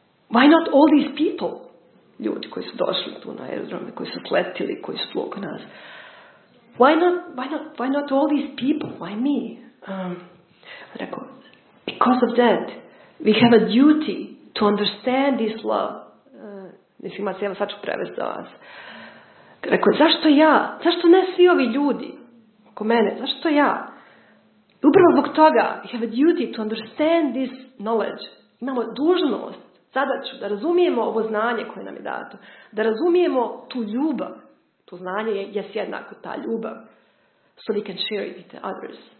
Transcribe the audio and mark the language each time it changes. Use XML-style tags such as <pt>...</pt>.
<en>Why not all these people?</en> <hr>Ljudi koji su došli tu na aerodrome, koji su letili, koji su oko nas.</hr> <en>Why not all these people? Why me?</en> <hr>Rekao,</hr> <en>because of that, we have a duty to understand this love.</en> <hr>Mislim, ja sad ću prevesti za vas. Rekao, zašto ja? Zašto ne svi ovi ljudi oko mene? Zašto ja? Upravo zbog toga,</hr> <en>we have a duty to understand this knowledge.</en> <hr>Imamo dužnost, zadaću, da razumijemo ovo znanje koje nam je dato. Da razumijemo tu ljubav. To znanje je jednako ta ljubav.</hr> <en>So we can share it with the others.</en>